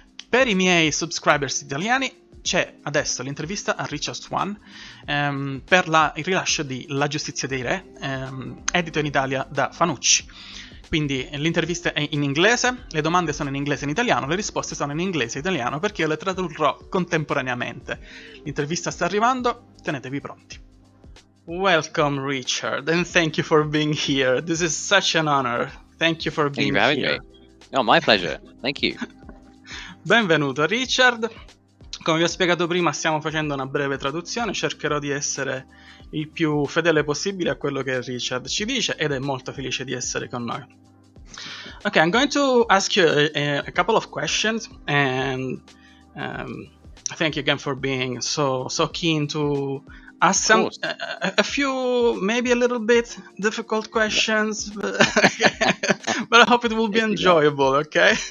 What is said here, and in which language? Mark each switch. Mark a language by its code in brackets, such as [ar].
[it] Per i miei subscribers italiani, c'è adesso l'intervista a Richard Swan per il rilascio di La giustizia dei re, edito in Italia da Fanucci. Quindi l'intervista è in inglese, le domande sono in inglese e in italiano, le risposte sono in inglese e italiano perché io le tradurrò contemporaneamente. L'intervista sta arrivando, tenetevi pronti. [en] Welcome, Richard, and thank you for being here. This is such an honor. Thank you for being here. Thank you for having me. Oh, my pleasure. Thank you. [it] Benvenuto, Richard. Come vi ho spiegato prima, stiamo facendo una breve traduzione. Cercherò di essere il più fedele possibile a quello che Richard ci dice ed è molto felice di essere con noi. [en] Okay, I'm going to ask you a couple of questions and thank you again for being so keen to ask some a few, maybe a little bit difficult questions, but I hope it will be enjoyable, okay?